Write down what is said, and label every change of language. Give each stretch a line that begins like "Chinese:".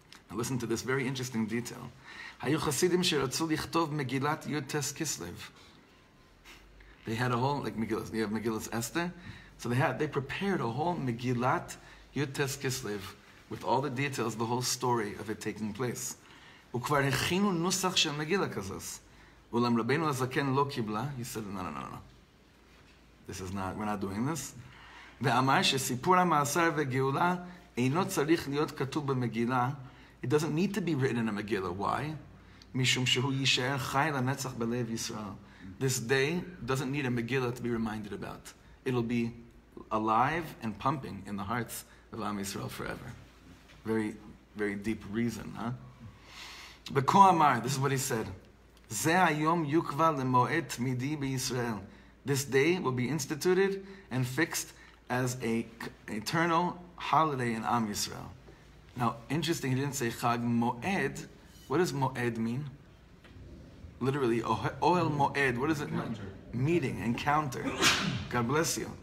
English: Now listen to this very interesting detail.
Hebrew: Hayu chassidim sherotzu lichtov Megillat Yutes Kislev.
English: They had a whole, like Megillah, you have Megillah Esther. So they prepared a whole Megillat Yutes Kislev with all the details, the whole story of it taking place.
Hebrew: וכבר הכינו נוסח של מגילה כזאת. אולם רבינו הזקן לא קיבלה,
English: he said, no, no, no, no. This is not, we're not doing this.
Hebrew: ואמר שסיפור המעשר וגאולה אינו צריך להיות כתוב במגילה.
English: It doesn't need to be written in a Megillah. Why?
Hebrew: משום שהוא יישאר חי לנצח בלב ישראל.
English: This day doesn't need a Megillah to be reminded about. It'll be alive and pumping in the hearts of Am Yisrael forever. Very, very deep reason, huh?
Hebrew: וכה אמר,
English: this is what he said.
Hebrew: זה היום יוקבע למועד תמידי בישראל.
English: This day will be instituted and fixed as a eternal holiday in Am Yisrael. Now, interesting, he didn't say Chag Moed. What does Moed mean? Literally, Ohel Moed. What does it mean? Meeting, encounter. God bless you.